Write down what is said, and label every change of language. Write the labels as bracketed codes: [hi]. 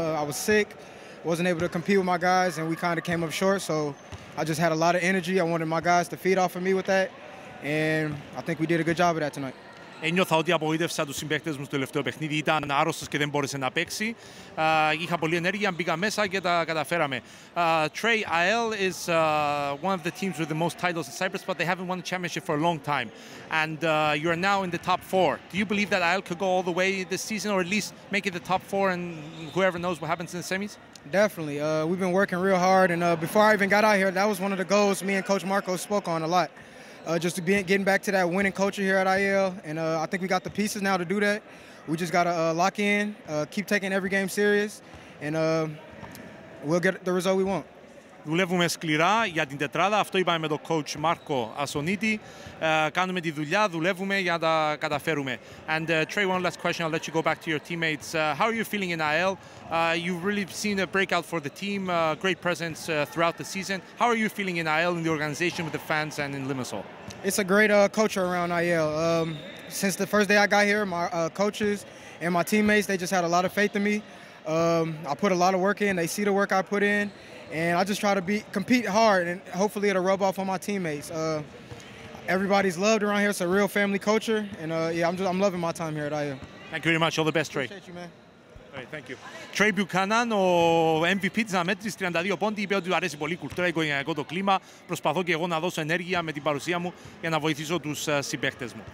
[en] I was sick, wasn't able to compete with my guys, and we kind of came up short. So I just had a lot of energy. I wanted my guys to feed off of me with that. And I think we did a good job of that tonight. [el] Ένιωθα ότι απογοήτευσα τους συμπαίκτες μου στο τελευταίο παιχνίδι. Ήταν άρρωστος και δεν μπόρεσε να παίξει. Είχα πολλή ενέργεια, μπήκα μέσα και τα καταφέραμε. [en] Trey, ΑΕΛ is one of the teams with the most titles in Cyprus, but they haven't won a championship for a long time. And you are now in the top four. Do you believe that ΑΕΛ could go all the way this season, or at least make it the top four, and whoever knows what happens in the semis? Definitely. We've been working real hard. And before I even got out here, that was one of the goals me and Coach Marco spoke on a lot. Just getting back to that winning culture here at IL, and I think we got the pieces now to do that. We just gotta lock in, keep taking every game serious, and we'll get the result we want. [el] Δουλεύουμε σκληρά για την τετράδα. Αυτό είπαμε με τον coach Marco Ασονίτη. Κάνουμε τη δουλειά, δουλεύουμε για να τα καταφέρουμε. [en] And Trey, one last question. I'll let you go back to your teammates. How are you feeling in IL? You've really seen a breakout for the team. Great presence throughout the season. How are you feeling in IL, in the organization, with the fans and in Limassol? It's a great culture around IL. Since the first day I got here, my coaches and my teammates, they just had a lot of faith in me. I put a lot of work in. They see the work I put in. And I just try to compete hard, and hopefully it'll rub off on my teammates. Everybody's loved around here. It's a real family culture, and I'm loving my time here at IU. Thank you very much. All the best, Trey. Appreciate you, man. [el] Τρέι Μπιουκάναν, ο MVP της αναμέτρησης, 32 πόντι, είπε ότι του αρέσει πολύ η κουλτούρα, οικογενειακό το κλίμα. Προσπαθώ και εγώ να δώσω ενέργεια με την παρουσία μου για να βοηθήσω τους συμπαίκτες μου.